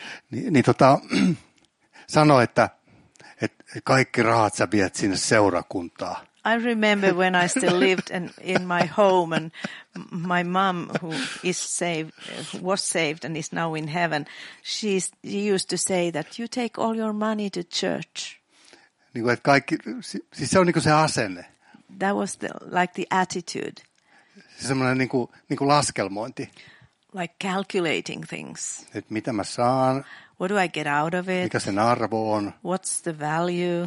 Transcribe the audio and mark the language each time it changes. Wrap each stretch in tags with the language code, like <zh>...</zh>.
<fi>Niin sanoi, että kaikki rahat sä viet sinne seurakuntaa.</fi> <en>I remember when I still lived in my home and my mom, who is saved, was saved and is now in heaven, she used to say that you take all your money to church.</en> <fi>Niin kuin, että kaikki, siis se on niin kuin se asenne.</fi> <en>That was the attitude.</en> <fi>Semmoinen niinku laskelmointi.</fi> <en>Like calculating things.</en> <fi>Et mitä mä saan?</fi> <en>What do I get out of it?</en> <fi>Mikä sen arvo on?</fi> <en>What's the value?</en>